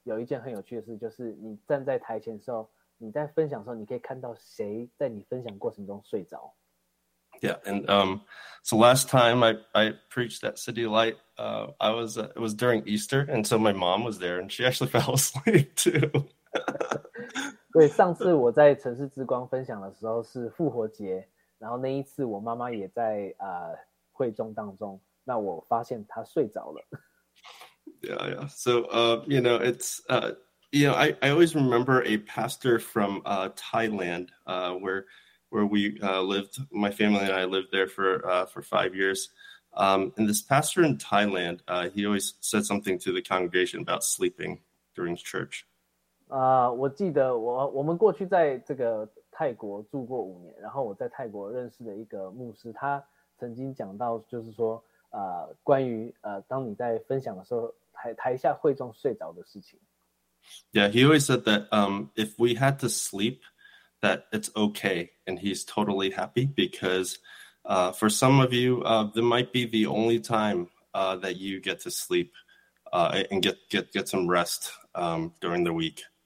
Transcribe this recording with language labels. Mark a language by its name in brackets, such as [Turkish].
[Chinese] 很有趣的就是，当你是对讲员来讲，有一件很有趣的事，就是你站在台前的时候。 你在分享的时候，你可以看到谁在你分享过程中睡着。 [English] Yeah, and so last time I preached at City Light, I was it was during Easter, and so my mom was there, and she actually fell asleep too. [Chinese] 对，上次我在城市之光分享的时候是复活节，然后那一次我妈妈也在会众当中，那我发现她睡着了。 Yeah, yeah. [English] So, you know, it's you know, I always remember a pastor from Thailand, where we lived. My family and I lived there for 5 years. And this pastor in Thailand, he always said something to the congregation about sleeping during church. [Chinese] 我记得我们过去在这个泰国住过五年，然后我在泰国认识的一个牧师，他曾经讲到，就是说，关于当你在分享的时候，台下会众睡着的事情。 [English] Yeah, he always said that if we had to sleep, that it's okay, and he's totally happy because for some of you, that might be the only time that you get to sleep and get some rest during the week.